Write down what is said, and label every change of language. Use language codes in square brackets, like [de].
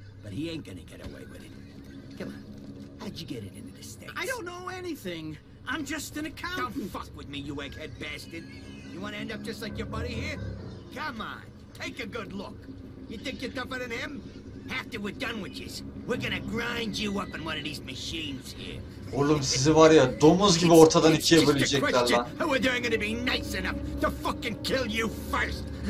[en] But he ain't gonna get away with it. Come on, how'd you get it into the States? I don't know anything. I'm just an accountant. Don't fuck with me, you egghead bastard. You wanna end up just like your buddy here? Come on, take a good look. You think you're tougher than him? After we're done with you, we're gonna grind you up in one of these machines here. [tr] Oğlum sizi var ya domuz gibi ortadan ikiye bölecekler lan. [en] We're doing gonna be nice enough to fucking kill you first.